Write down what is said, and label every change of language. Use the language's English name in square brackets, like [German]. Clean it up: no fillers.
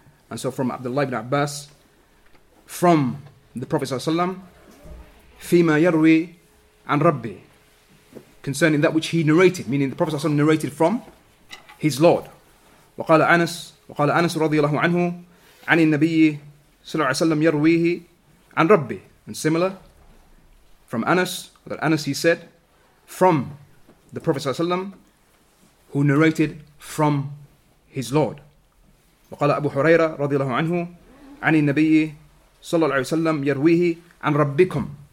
[English] And so from Abdullah ibn Abbas, from the Prophet صلى الله عليه وسلم, [Arabic] فيما يروي عن ربه, [English] concerning that which he narrated, meaning the Prophet صلى الله عليه وسلم narrated from his Lord. [Arabic] وقال أنس, وقال أنس رضي الله عنه عن النبي صلى الله عليه وسلم يرويه عن ربي. [English] And similar, from Anas, that Anas, he said, from the Prophet صلى الله عليه وسلم, who narrated from his Lord. [Arabic] وقال أبو هريرة رضي الله عنه عن النبي صلى الله عليه وسلم يرويه عن ربكم.